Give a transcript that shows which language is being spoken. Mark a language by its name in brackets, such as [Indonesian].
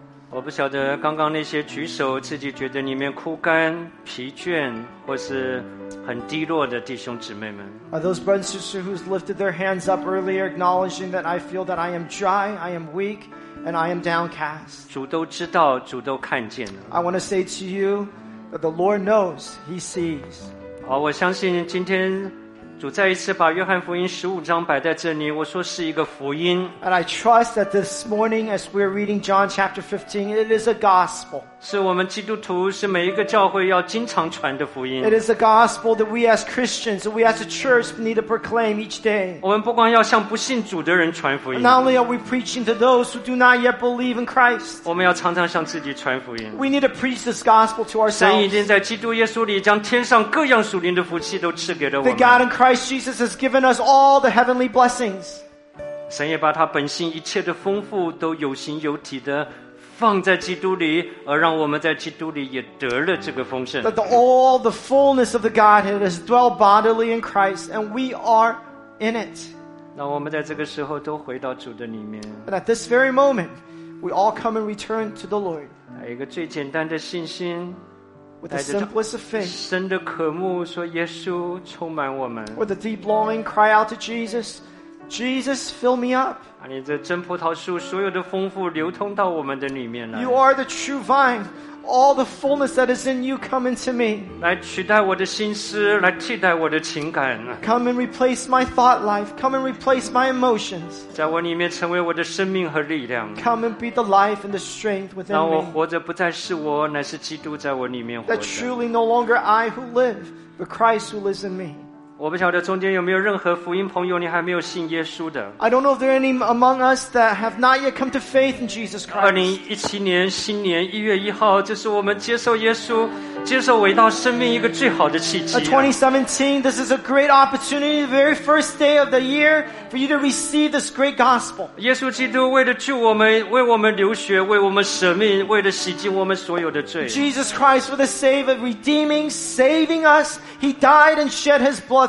[Chinese] 我不晓得刚刚那些举手自己觉得里面枯干疲倦或是很低落的弟兄姊妹们 [English] Are those brothers and sisters who lifted their hands up earlier acknowledging that I feel that I am dry, I am weak, and I am downcast? [Chinese] 主都知道主都看见了 [English] I want to say to you that the Lord knows, He sees. [Chinese] 我相信今天主再一次把约翰福音十五章摆在这里，我说是一个福音。 [English] And I trust that this morning, as we're reading John chapter 15, it is a gospel. [Chinese] 是我们基督徒，是每一个教会要经常传的福音。 [English] It is a gospel that we as Christians, we as a church need to proclaim each day. [Chinese] 我们不光要向不信主的人传福音。 [English] Not only are we preaching to those who do not yet believe in Christ. [Chinese] 我们要常常向自己传福音。 [English] We need to preach this gospel to ourselves. [Chinese] 神已经在基督耶稣里将天上各样属灵的福气都赐给了我们。 [English] That God in Christ Jesus has given us all the heavenly blessings. [Chinese] 神也把他本性一切的丰富都有形有体的放在基督里，而让我们在基督里也得了这个丰盛。 [English] That all the fullness of the Godhead has dwelt bodily in Christ, and we are in it. [Chinese] 让我们在这个时候都回到主的里面。 [English] And at this very moment, we all come and return to the Lord. [Chinese] 一个最简单的信心。 [English] With the simplest of faith. [Chinese] 深的渴慕说耶稣充满我们。 [English] With a deep longing, cry out to Jesus, Jesus, fill me up. [Chinese] 你这真葡萄树所有的丰富流通到我们的里面来。 [English] You are the true vine. All the fullness that is in you come into me. [Chinese] 来取代我的心思，来替代我的情感。 [English] Come and replace my thought life. Come and replace my emotions. [Chinese] 在我里面成为我的生命和力量。 [English] Come and be the life and the strength within me. [Chinese] 让我活着不再是我，乃是基督在我里面活着。 [English] That truly no longer I who live, but Christ who lives in me. [Chinese] 我不晓得中间有没有任何福音朋友你还没有信耶稣的。 [English] I don't know if there are any among us that have not yet come to faith in Jesus Christ. [Chinese] 2017年新年1月1号就是我们接受耶稣接受伟大生命一个最好的契机。 [English] 2017, this is a great opportunity, the very first day of the year for you to receive this great gospel. [Chinese] 耶稣基督为了救我们为我们流血为我们舍命为了洗净我们所有的罪。 [English] Jesus Christ for the sake of redeeming, saving us, he died and shed his blood.